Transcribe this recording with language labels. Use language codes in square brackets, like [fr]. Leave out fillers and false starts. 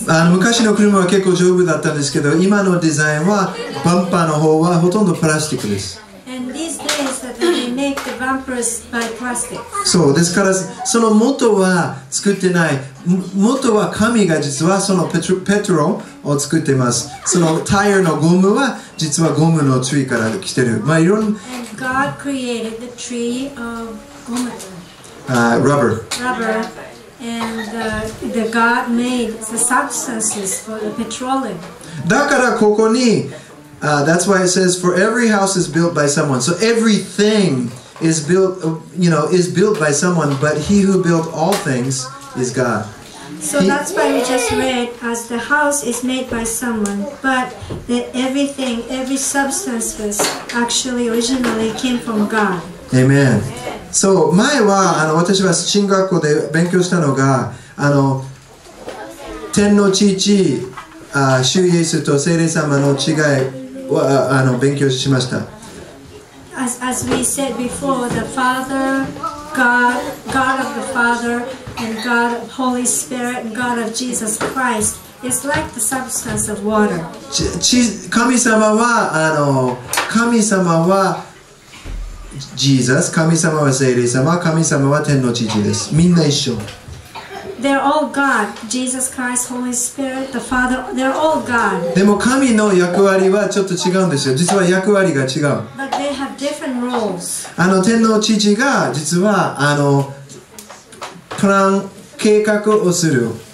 [ja] 昔の車は結構丈夫だったんですけど、今のデザインはバンパーの方はほとんどプラスチックです。 [en] And these days that they make the bumpers by plastic. [ja] そうですから、その元は作ってない。元は神が実はそのペトロを作ってます。そのタイヤのゴムは実はゴムの tree から来てる。まあいろんな。 [en] And God created the tree of gomma. Rubber. Rubber. And the God made the substances for the petroleum. [ja] だからここに、 [en] that's why it says, for every house is built by someone. So everything is built, you know, is built by someone, but he who built all things is God. So that's why we just read, as the house is made by someone, but that everything, every substance was actually originally came from God. Amen. [ja] So, 前は、私は進学校で勉強したのが、天の父、主イエスと聖霊様の違い、勉強しました。 [en] As we said before, the Father, God of the Father, and God of Holy Spirit, and God of Jesus Christ is like the substance of water. [ja] 神様は神様は Jesus、神様は聖霊様、神様は天の父です。みんな一緒。 [en] They're all God. Jesus Christ, Holy Spirit, the Father, they're all God. [ja] でも神の役割はちょっと違うんですよ。実は役割が違う。 [en] But they have different roles. [ja] 天の父が実はプラン、計画をする。